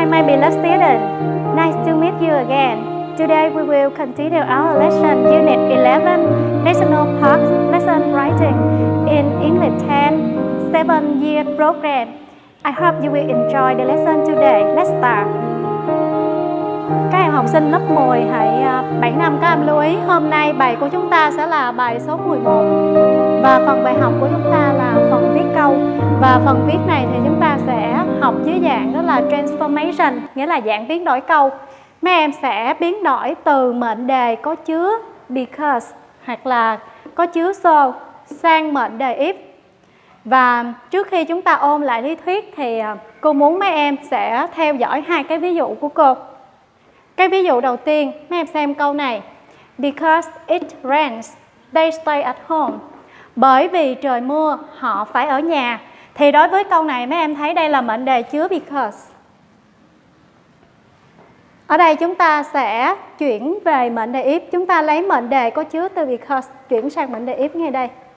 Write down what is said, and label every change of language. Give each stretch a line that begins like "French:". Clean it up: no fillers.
English: beloved students, nice to meet you again. Today we will continue our lesson, Unit 11, National Park Lesson Writing in English 10, 7-year program. I hope you will enjoy the lesson today. Let's start.
Vietnamese: Các em học sinh lớp 10 hãy 7 năm các em lưu ý, hôm nay bài của chúng ta sẽ là bài số 11. Và phần bài học của chúng ta là phần viết câu. Và phần viết này thì chúng ta sẽ học dưới dạng đó là transformation, nghĩa là dạng biến đổi câu. Mấy em sẽ biến đổi từ mệnh đề có chứa because hoặc là có chứa so sang mệnh đề if. Và trước khi chúng ta ôn lại lý thuyết thì cô muốn mấy em sẽ theo dõi hai cái ví dụ của cô. Cái ví dụ đầu tiên, mấy em xem câu này.
English: Because it rains, they stay at home.
Vietnamese: Bởi vì trời mưa, họ phải ở nhà. Thì đối với câu này, mấy em thấy đây là mệnh đề chứa because. Ở đây chúng ta sẽ chuyển về mệnh đề if. Chúng ta lấy mệnh đề có chứa từ because, chuyển sang mệnh đề if ngay đây.